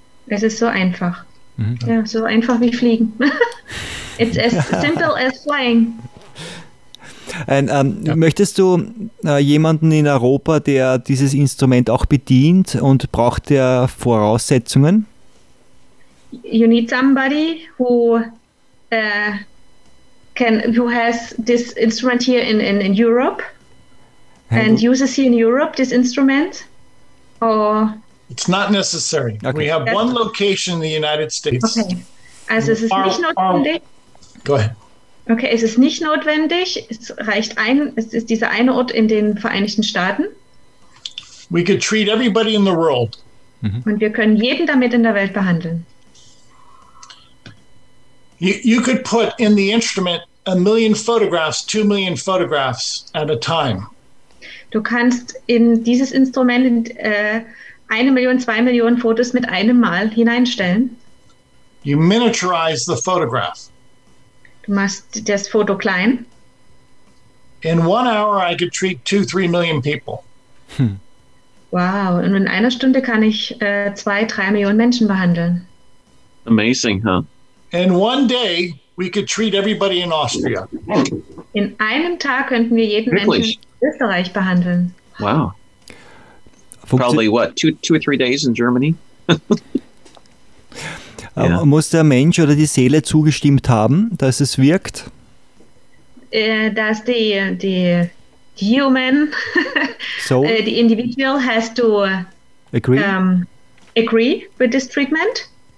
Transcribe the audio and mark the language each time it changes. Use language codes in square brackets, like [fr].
[de] Es ist so einfach. Mhm. Ja, so einfach wie fliegen. [en] It's as simple as flying. [de] Und, möchtest du jemanden in Europa, der dieses Instrument auch bedient und braucht der Voraussetzungen? [en] You need somebody who has this instrument here in Europe and uses here in Europe this instrument. Or it's not necessary. Okay. We have one location in the United States. [de] Okay. Also es ist nicht notwendig. [en] Go ahead. [de] Okay, es ist nicht notwendig. Es reicht ein. Es ist dieser eine Ort in den Vereinigten Staaten. [en] We could treat everybody in the world. Mhm. [de] Und wir können jeden damit in der Welt behandeln. [en] You could put in the instrument 1 million photographs, 2 million photographs at a time. [de] Du kannst in dieses Instrument 1 Million, 2 Millionen Fotos mit einem Mal hineinstellen. [en] You miniaturize the photograph. [de] Du machst das Foto klein. [en] In 1 hour I could treat 2-3 million people. [de] Wow, und in einer Stunde kann ich 2-3 Millionen Menschen behandeln. [en] Amazing, huh? In 1 day we could treat everybody in Austria. [de] In einem Tag könnten wir jeden Menschen in Österreich behandeln. [en] Wow. Probably what, 2 or 3 days in Germany? Yeah. [de] Muss der Mensch oder die Seele zugestimmt haben, dass es wirkt? Dass die [en] Human, so, the individual has to agree with this treatment?